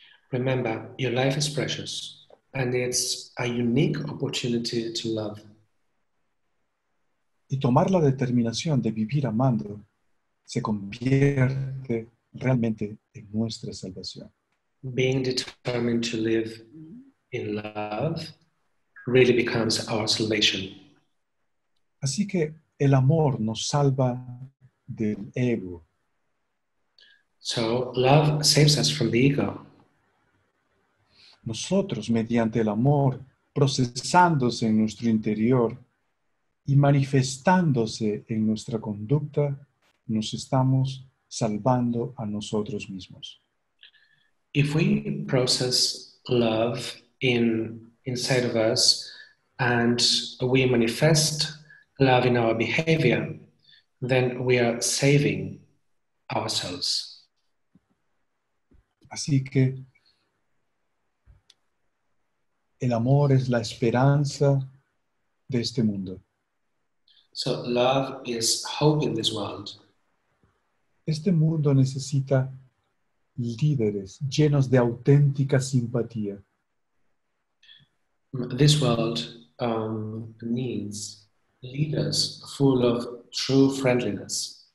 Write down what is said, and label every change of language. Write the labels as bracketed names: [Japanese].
[English] Remember, your life is precious and it's a unique opportunity to love. [Spanish] Y tomar la determinación de vivir amando se convierte realmente en nuestra salvación. [English] Being determined to live in love really becomes our salvation. [Spanish] Así que el amor nos salva del ego. [English] So love saves us from the ego. [Spanish] Nosotros, mediante el amor, procesándose en nuestro interior y manifestándose en nuestra conducta, nos estamos salvando a nosotros mismos. [English] If we process love inside of us and we manifest love in our behavior, then we are saving ourselves. [Spanish] Así que el amor es la esperanza de este mundo. [English] So love is hope in this world. [Spanish] Este mundo necesita líderes llenos de auténtica simpatía. [English] This world needs leaders full of true friendliness.